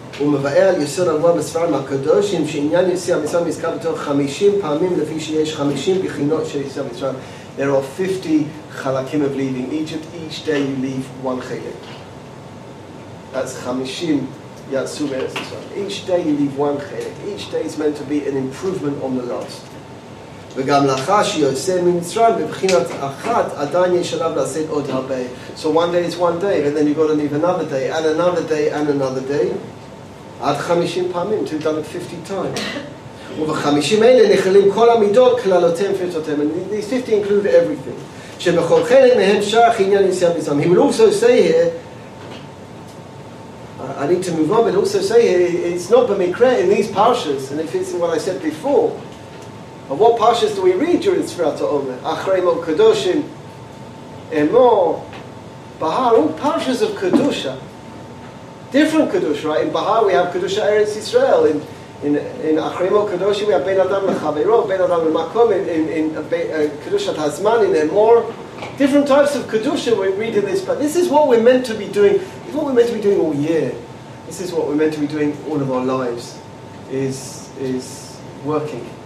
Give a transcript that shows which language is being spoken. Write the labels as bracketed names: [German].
[Hebrew] ומבאר על יסוד הנבואה בספר מהקדושים שעניין יציאת מצרים נזכר בתור 50 פעמים לפי שיש 50 בחינות של יציאת מצרים. [English] There are 50 חלקים of leaving Egypt. Each day you leave one חלק. That's 50 יצאו בארץ ישראל. Each day you leave one חלק. Each day is meant to be an improvement on the last. [Hebrew] וגם לאחר שיוצא ממצרים בבחינת אחת עדיין יש עליו לעשות עוד הרבה. [English] So one day is one day, and then you've got to leave another day, and another day, and another day. [Hebrew] עד 50 פעמים, [English] to done it 50 times. [Hebrew] ובחמישים אלה נכללים כל המידות, כללותיהם, פרטותיהם. [English] And these 50 include everything. [Hebrew] שבכל חלק מהם שייך עניין יציאת מצרים. [English] He will also say here, I need to move on, but also say here, it's not במקרה, in these parshas, and if it's in what I said before, of what parshas do we read during Sefirat HaOmer? אחרי מות קדושים, אמור, בהר, all parshas of Kedusha. Different Kedusha, right? In Bahar we have Kedusha Eretz Yisrael. In Achrimo Kedusha we have Ben Adam L'Chaveiro, Ben Adam L'Makom, in Kedusha Tazman, in Emor. Different types of Kedusha we read in this, but this is what we're meant to be doing. This is what we're meant to be doing all year. This is what we're meant to be doing all of our lives, is working.